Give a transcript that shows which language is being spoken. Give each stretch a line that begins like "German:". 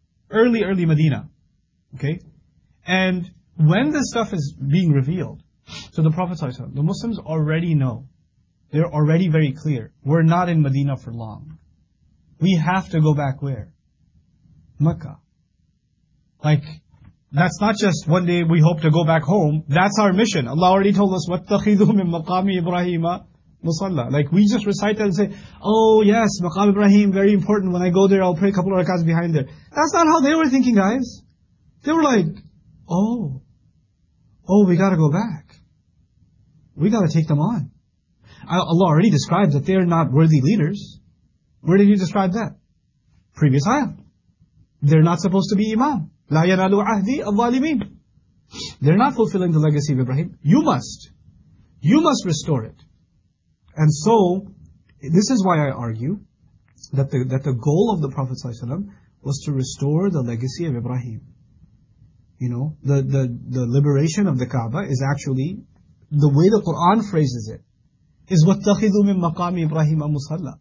English: Early Medina. Okay? And when this stuff is being revealed, so the Prophet ﷺ, the Muslims already know, they're already very clear, we're not in Medina for long. We have to go back where? Mecca. Like, that's not just one day we hope to go back home. That's our mission. Allah already told us,
Arabic: وَاتَّخِذُوا مِن مَقَامِ إِبْرَاهِيمَ مُصَلَّى.
English: Like, we just recite that and say, oh yes, Maqam Ibrahim, very important. When I go there, I'll pray a couple of rakats behind there. That's not how they were thinking, guys. They were like, oh, we gotta go back. We gotta take them on. Allah already described that they're not worthy leaders. Where did you describe that? Previous ayah. They're not supposed to be imam.
Arabic: لا ينالوا عهدي الظالمين.
English: They're not fulfilling the legacy of Ibrahim. You must. You must restore it. And so, this is why I argue that the goal of the Prophet ﷺ was to restore the legacy of Ibrahim. You know, the liberation of the Kaaba is actually, the way the Quran phrases it, is
Arabic: وَاتَّخِذُوا مِن مَقَامِ إِبْرَاهِيمَ مُصَلَّى.